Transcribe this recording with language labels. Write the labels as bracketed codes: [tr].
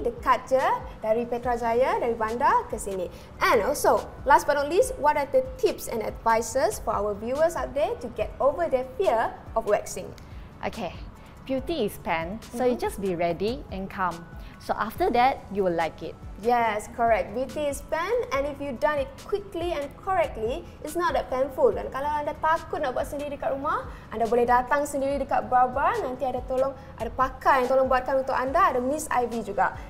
[ms] Dekat je dari Petrajaya, dari bandar ke sini. [en] And also, last but not least, what are the tips and advices for our viewers out there to get over their fear of waxing? Okay. Beauty is pain, so you just be ready and calm. So after that, you will like it. Yes, correct. Beauty is pain, and if you done it quickly and correctly, it's not that painful. [ms] Dan kalau anda takut nak buat sendiri dekat rumah, anda boleh datang sendiri dekat Brow Bar. Nanti ada tolong, ada pakar yang tolong buatkan untuk anda, ada Miss Ivy juga.